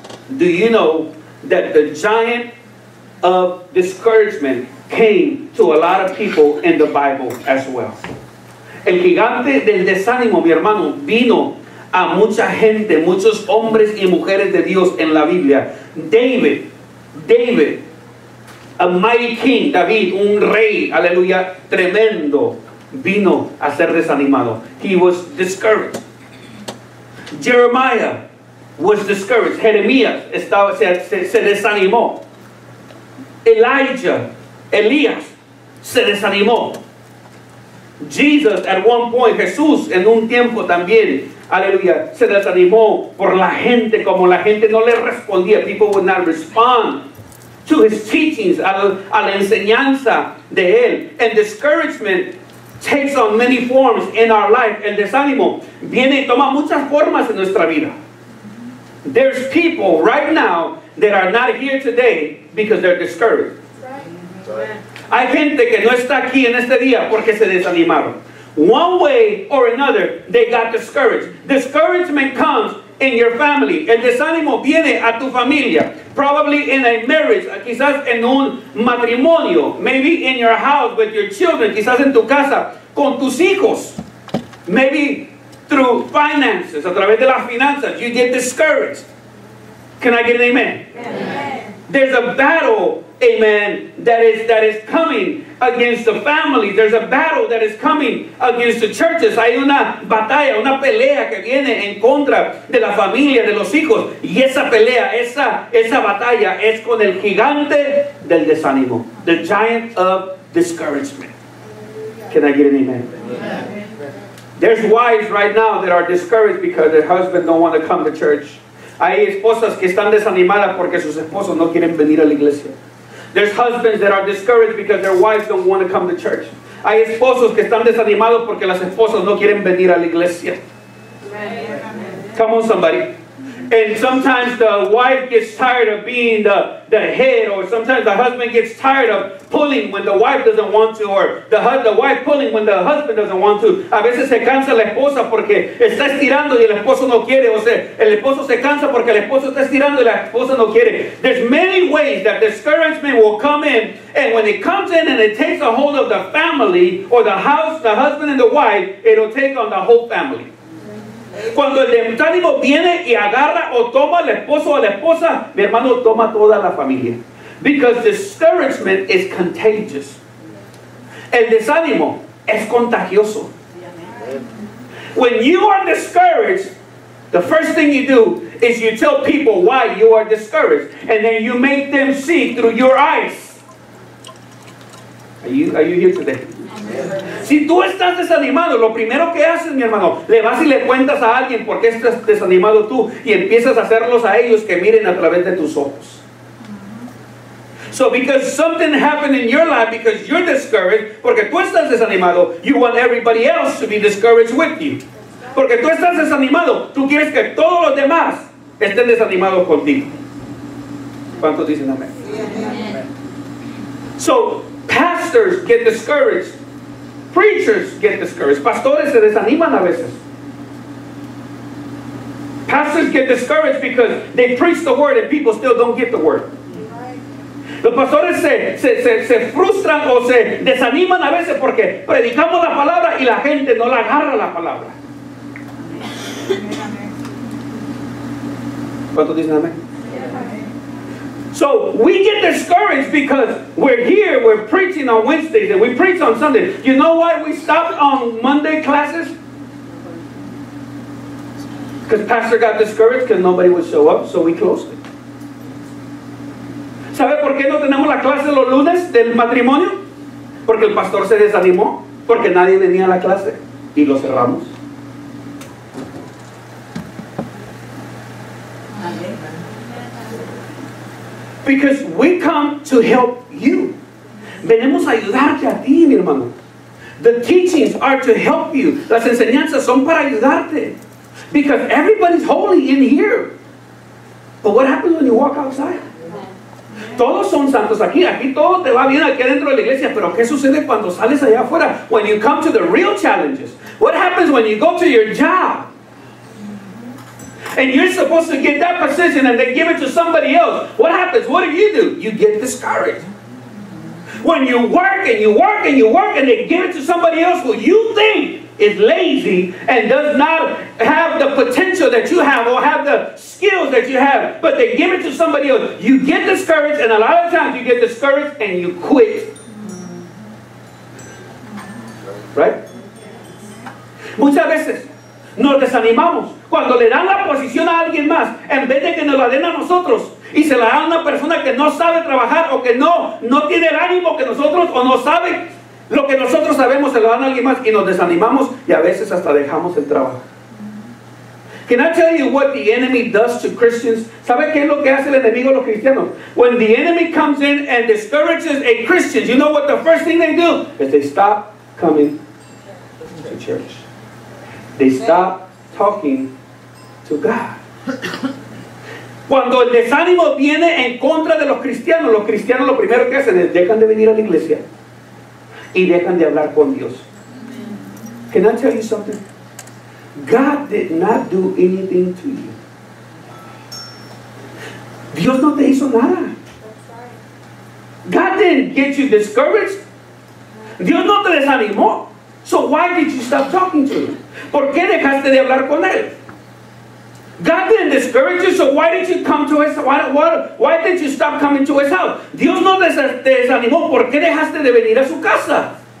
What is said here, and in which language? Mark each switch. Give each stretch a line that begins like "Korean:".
English: Do you know that the giant of discouragement came to a lot of people in the Bible as well?
Spanish: El gigante del desánimo, mi hermano, vino a mucha gente, muchos hombres y mujeres de Dios en la Biblia. David,
English: a mighty king,
Spanish: David, un rey, aleluya, tremendo, vino a ser desanimado.
English: He was discouraged. Jeremiah was discouraged.
Spanish: Jeremías estaba, se desanimó. Elías, se desanimó.
English: Jesus, at one point,
Spanish: Jesús, en un tiempo también, aleluya, se desanimó por la gente, como la gente no le respondía.
English: People would not respond to his teachings,
Spanish: a la enseñanza de él.
English: And discouragement takes on many forms in our life.
Spanish: El desánimo viene y toma muchas formas en nuestra vida.
English: There's people right now that are not here today because they're discouraged.
Spanish: Hay gente que no está aquí en este día porque se desanimaron.
English: One way or another, they got discouraged. Discouragement comes in your family.
Spanish: El desánimo viene a tu familia.
English: Probably in a marriage,
Spanish: quizás en un matrimonio.
English: Maybe in your house with your children,
Spanish: quizás en tu casa con tus hijos.
English: Maybe through finances,
Spanish: a través de las finanzas,
English: you get discouraged. Can I get an amen? Amen. There's a battle, amen, that is coming against the family. There's a battle that is coming against the churches.
Spanish: Hay una batalla, una pelea que viene en contra de la familia, de los hijos. Y esa pelea, esa batalla es con el gigante del desánimo.
English: The giant of discouragement. Can I get an amen? There's wives right now that are discouraged because their husband don't want to come to church.
Spanish: Hay esposas que están desanimadas porque sus esposos no quieren venir a la iglesia.
English: There's husbands that are discouraged because their wives don't want to come to church.
Spanish: Hay esposos que están desanimados porque las esposas no quieren venir a la iglesia.
English: Come on, somebody. And sometimes the wife gets tired of being the head, or sometimes the husband gets tired of pulling when the wife doesn't want to, or the wife pulling when the husband doesn't want to.
Spanish: A veces se cansa la esposa porque está estirando y el esposo no quiere. O sea, el esposo se cansa porque el esposo está estirando y la esposa no quiere.
English: There's many ways that discouragement will come in, and when it comes in and it takes a hold of the family or the house, the husband and the wife, it'll take on the whole family.
Spanish: Cuando el desánimo viene y agarra o toma al esposo o a la esposa, mi hermano, toma toda la familia.
English: Because discouragement is contagious.
Spanish: El desánimo es contagioso.
English: When you are discouraged, the first thing you do is you tell people why you are discouraged. And then you make them see through your eyes. Are you here today?
Spanish: Si tú estás desanimado, lo primero que haces, mi hermano, le vas y le cuentas a alguien por qué estás desanimado tú, y empiezas a hacerlos a ellos que miren a través de tus ojos.
English: So because something happened in your life because you're discouraged,
Spanish: porque tú estás desanimado,
English: you want everybody else to be discouraged with you.
Spanish: Porque tú estás desanimado, tú quieres que todos los demás estén desanimados contigo. ¿Cuántos dicen amén?
English: So pastors get discouraged. Preachers get discouraged.
Spanish: Pastores se desaniman a veces.
English: Pastors get discouraged because they preach the word and people still don't get the word.
Spanish: Los pastores se frustran o se desaniman a veces porque predicamos la palabra y la gente no la agarra la palabra. ¿Cuántos dicen amén?
English: So we get discouraged because we're here, we're preaching on Wednesdays and we preach on Sundays. You know why we stopped on Monday classes? Because pastor got discouraged because nobody would show up, so we closed it.
Spanish: ¿Sabe por qué no tenemos la clase los lunes del matrimonio? Porque el pastor se desanimó, porque nadie venía a la clase y lo cerramos.
English: Because we come to help you.
Spanish: Venimos a ayudarte a ti, mi hermano.
English: The teachings are to help you.
Spanish: Las enseñanzas son para ayudarte.
English: Because everybody's holy in here. But what happens when you walk outside?
Spanish: Todos son santos aquí. Aquí todo te va bien aquí dentro de la iglesia. Pero ¿qué sucede cuando sales allá afuera?
English: When you come to the real challenges. What happens when you go to your job? And you're supposed to get that position and then give it to somebody else. What happens? What do? You get discouraged. When you work and you work and you work and they give it to somebody else who you think is lazy and does not have the potential that you have or have the skills that you have, but they give it to somebody else, you get discouraged, and a lot of times you get discouraged and you quit. Right?
Spanish: Muchas veces nos desanimamos cuando le dan la posición a alguien más en vez de que nos la den a nosotros y se la da a una persona que no sabe trabajar o que no tiene el ánimo que nosotros o no sabe lo que nosotros sabemos, se lo dan a alguien más y nos desanimamos y a veces hasta dejamos el trabajo.
English: Can I tell you what the enemy does to Christians?
Spanish: ¿Sabe qué es lo que hace el enemigo a los cristianos?
English: When the enemy comes in and discourages a Christian, you know what the first thing they do? Is they stop coming to church. They stop talking to God.
Spanish: Cuando el desánimo viene en contra de los cristianos lo primero que hacen es dejan de venir a la iglesia y dejan de hablar con Dios.
English: Can I tell you something? God did not do anything to you.
Spanish: Dios no te hizo nada.
English: God didn't get you discouraged.
Spanish: Dios no te desanimó.
English: So why did you stop talking to him?
Spanish: ¿Por qué dejaste de hablar con él?
English: God didn't discourage you, so why did you come to his house? Why did you stop coming to his house?
Spanish: Dios no te desanimó. ¿Por qué dejaste de venir a su casa?